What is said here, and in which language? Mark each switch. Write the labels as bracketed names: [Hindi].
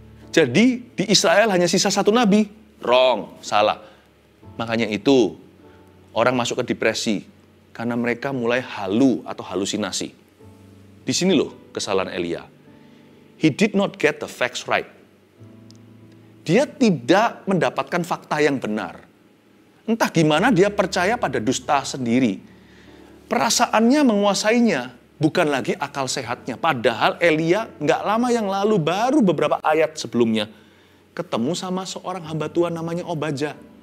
[Indonesian] Jadi di Israel hanya sisa satu nabi. Wrong, salah. Makanya itu, orang masuk ke depresi karena mereka mulai halu atau halusinasi. Di sini loh kesalahan Elia. [English] He did not get the facts right. [Indonesian] Dia tidak mendapatkan fakta yang benar. Entah gimana dia percaya pada dusta sendiri. Perasaannya menguasainya, bukan lagi akal sehatnya. Padahal Elia nggak lama yang lalu, baru beberapa ayat sebelumnya, ketemu sama seorang hamba Tuhan namanya Obaja.